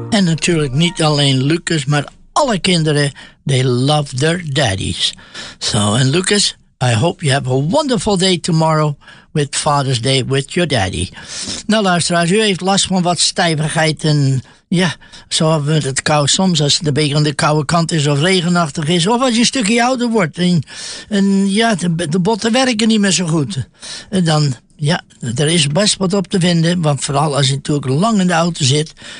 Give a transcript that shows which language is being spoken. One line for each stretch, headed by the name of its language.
Dutch: En natuurlijk niet alleen Lucas, maar alle kinderen,
English: they love their daddies. So, and Lucas, I hope you have a wonderful day tomorrow with Father's Day with your daddy.
Dutch: Nou luisteraars, u heeft last van wat stijvigheid en ja, zo hebben we het kou soms als het een beetje aan de koude kant is of regenachtig is. Of als je een stukje ouder wordt en ja, de botten werken niet meer zo goed. En dan, ja, er is best wat op te vinden, want vooral als je natuurlijk lang in de auto zit.